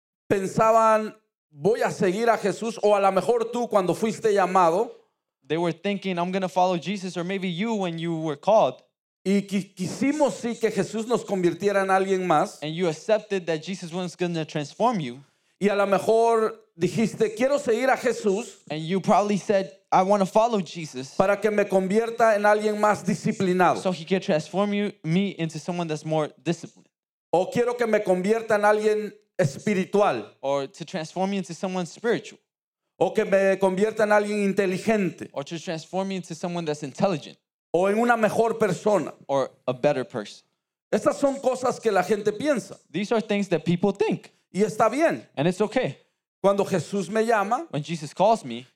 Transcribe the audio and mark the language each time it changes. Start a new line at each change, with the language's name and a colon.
Spanish: pensaban, voy a seguir a Jesús, o a lo mejor tú cuando fuiste llamado,
English: they were thinking, I'm going to follow Jesus, or maybe you when you were called,
Spanish: y quisimos sí que Jesús nos convirtiera en alguien más,
English: and you accepted that Jesus was going to transform you,
Spanish: y a lo mejor dijiste, quiero seguir a Jesús.
English: And you probably said, I want to follow Jesus.
Spanish: Para que me convierta en alguien más disciplinado.
English: So he can transform me into someone that's more disciplined.
Spanish: O quiero que me convierta en alguien espiritual.
English: Or to transform me into someone spiritual.
Spanish: O que me convierta en alguien inteligente.
English: Or to transform me into someone that's intelligent.
Spanish: O en una mejor persona.
English: Or a better person.
Spanish: Estas son cosas que la gente piensa.
English: These are things that people think.
Spanish: Y está bien.
English: And it's okay.
Spanish: Cuando Jesús me llama,
English: when Jesus calls me,